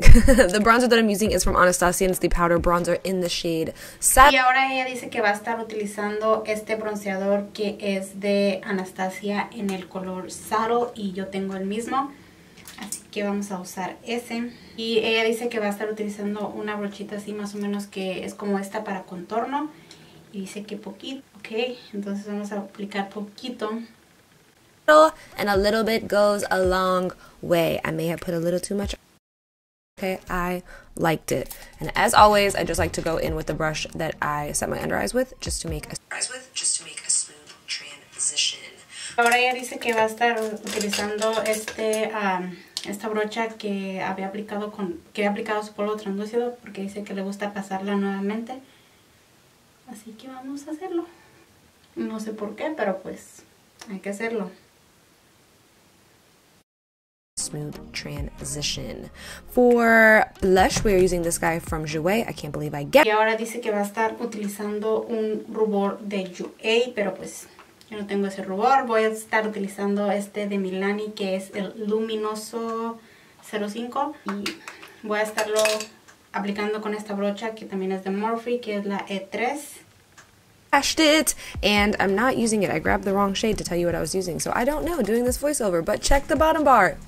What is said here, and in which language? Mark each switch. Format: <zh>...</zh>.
<en>The bronzer that I'm using is from Anastasia, and it's the powder bronzer in the shade</en> <es>Sat. Y ahora ella dice que va a estar utilizando este bronceador que es de Anastasia en el color Saddle, y yo tengo el mismo, así que vamos a usar ese. Y ella dice que va a estar utilizando una brochita así más o menos que es como esta para contorno, y dice que poquito. Ok, entonces vamos a aplicar poquito.</es> <en>And a little bit goes a long way. I may have put a little too much. Okay, I liked it. And as always, I just like to go in with the brush that I set my under eyes with just to make a smooth transition.</en> <es>Ahora ella dice que va a estar utilizando este esta brocha que había aplicado con que había aplicado su polvo translúcido porque dice que le gusta pasarla nuevamente. Así que vamos a hacerlo. No sé por qué, pero pues hay que hacerlo.</es> <en>Smooth transition. For blush, we are using this guy from Jouer. I can't believe I get.</en> <es>Y ahora dice que va a estar utilizando un rubor de Jouer, pero pues yo no tengo ese rubor. Voy a estar utilizando este de Milani, que es el Luminoso 05. Y voy a estarlo aplicando con esta brocha, que también es de Morphe, que es la E3.</es> <en>Crashed it, and I'm not using it. I grabbed the wrong shade to tell you what I was using, so I don't know doing this voiceover, but check the bottom bar.</en>